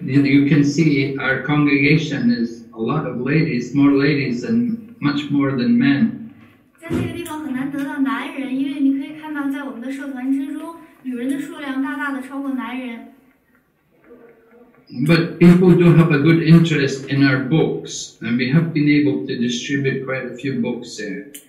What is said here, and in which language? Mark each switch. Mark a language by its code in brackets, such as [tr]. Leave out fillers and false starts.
[en] You can see our congregation is a lot of ladies, more ladies and much more than men. [zh] 在这个地方很难得到男人，因为你可以看到在我们的社团之中，女人的数量大大的超过男人。 [en] But people do have a good interest in our books, and we have been able to distribute quite a few books there.